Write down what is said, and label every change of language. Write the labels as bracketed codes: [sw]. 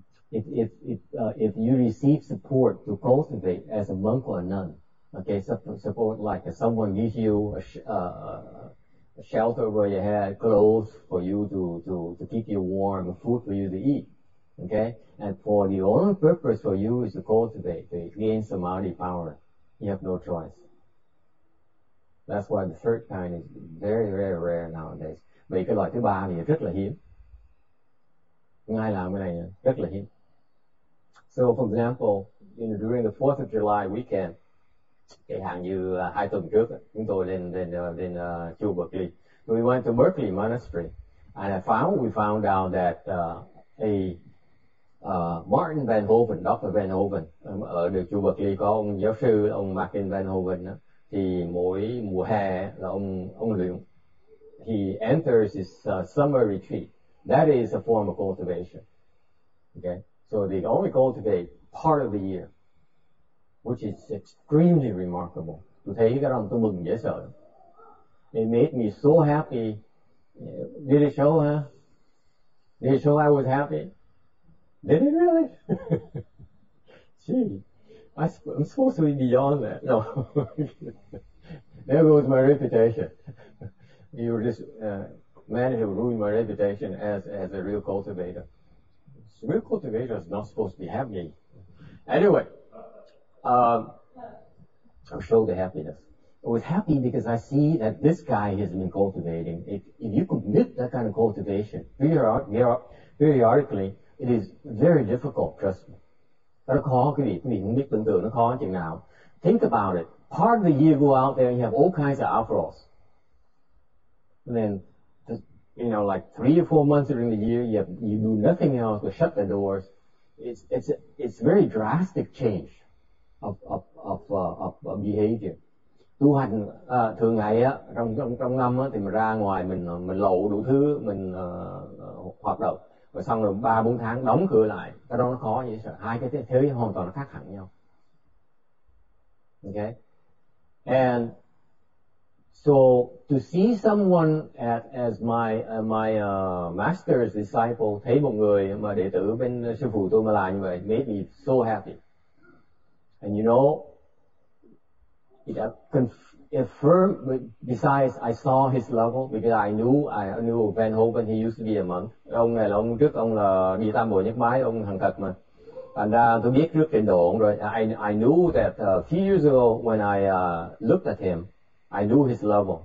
[en] If you receive support to cultivate as a monk or a nun, okay, support like if someone gives you a shelter over your head, clothes for you to keep you warm, food for you to eat, okay, and for the only purpose for you is to cultivate, to gain samadhi power, you have no choice. That's why the third kind is very, very rare nowadays. Vì cái loại thứ ba thì rất là hiếm. Ngay làm cái này rất là hiếm. So, for example, during the 4th of July weekend, [vi] cái hàng như hai tuần trước, chúng tôi lên chùa Berkeley. [en] We went to Berkeley Monastery, and we found out that Martin Van Hoven, Dr. [vi] Van Hoven, ở được chùa Berkeley có ông giáo sư, ông Martin Van Hoven, đó, thì mỗi mùa hè là ông luyện. [en] He enters his summer retreat. That is a form of cultivation. Okay? So they only cultivate part of the year, which is extremely remarkable. [vi] Tôi thấy cái đó tôi mừng dễ sợ. [en] It made me so happy. Did it show, huh? Did it show I was happy? Did it really? Gee, I'm supposed to be beyond that. No. There goes my reputation. You just managed to ruin my reputation as a real cultivator. Real cultivator is not supposed to be happy. Anyway, I'll show the happiness. I was happy because I see that this guy has been cultivating. If you commit that kind of cultivation periodically, it is very difficult, trust me. [vi] Nó khó, quý vị không biết tưởng tượng nó khó chừng nào. [en] Think about it. Part of the year go out there and you have all kinds of afros. And then, you know, like 3 or 4 months during the year, you do nothing else but shut the doors. It's a very drastic change of behavior. [vi] Tu hành thường ngày á, trong năm á, thì mình ra ngoài mình lộ đủ thứ, mình hoạt động, và xong rồi 3-4 tháng đóng cửa lại, cái đó nó khó như vậy. Hai cái thế giới hoàn toàn nó khác hẳn nhau. [en] Okay, and so to see someone as my master's disciple, [vi] thấy một người mà đệ tử bên sư phụ tôi mà làm như vậy, [en] made me so happy. And you know, it affirmed, besides I saw his level, because I knew Van Hoven, he used to be a monk. [vi] Ông này là ông trước, ông là đi tam bồ nhất mái, ông thành Phật mà. Thành ra tôi biết trước trình độ ông rồi. [en] I knew that a few years ago when I looked at him, I knew his level.